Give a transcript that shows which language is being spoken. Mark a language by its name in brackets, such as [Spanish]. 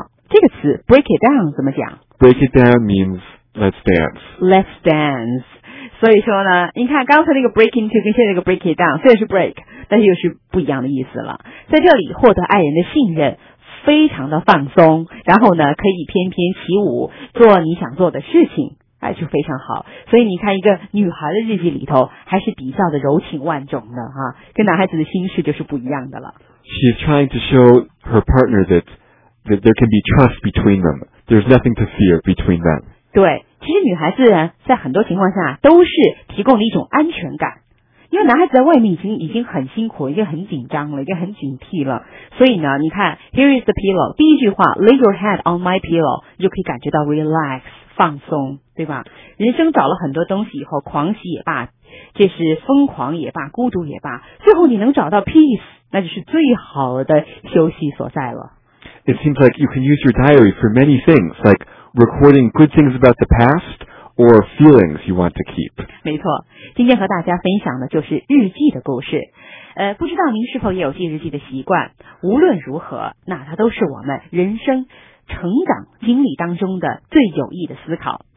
[Chinese] 这个词 [English] break it down [Chinese] 怎么讲？ [English] Break it down means let's dance. Let's dance. [Chinese] 所以说呢，你看刚才那个 [English] break into [Chinese] 跟现在那个 [English] break it down [Chinese] 虽然是 break， 但是又是不一样的意思了。在这里获得爱人的信任，非常的放松，然后呢可以翩翩起舞做你想做的事情，哎，就非常好。所以你看一个女孩的日记里头还是比较的柔情万种的哈，跟男孩子的心事就是不一样的了。 [English] She's trying to show her partner that there can be trust between them. There's nothing to fear between them. [Chinese] 对，其实女孩子在很多情况下都是提供了一种安全感，因为男孩子在外面已经很辛苦，已经很紧张了，已经很警惕了。所以呢，你看 [English] Here is the pillow， [Chinese] 第一句话 [English] Lay your head on my pillow， [Chinese] 你就可以感觉到 relax 放松，对吧？人生找了很多东西以后，狂喜也罢，这是疯狂也罢，孤独也罢，最后你能找到 peace， 那就是最好的休息所在了。 [English] It seems like you can use your diary for many things, like recording good things about the past or feelings you want to keep. [Chinese] 没错，今天和大家分享的就是日记的故事。不知道您是否也有记日记的习惯？无论如何，那它都是我们人生成长经历当中的最有益的思考。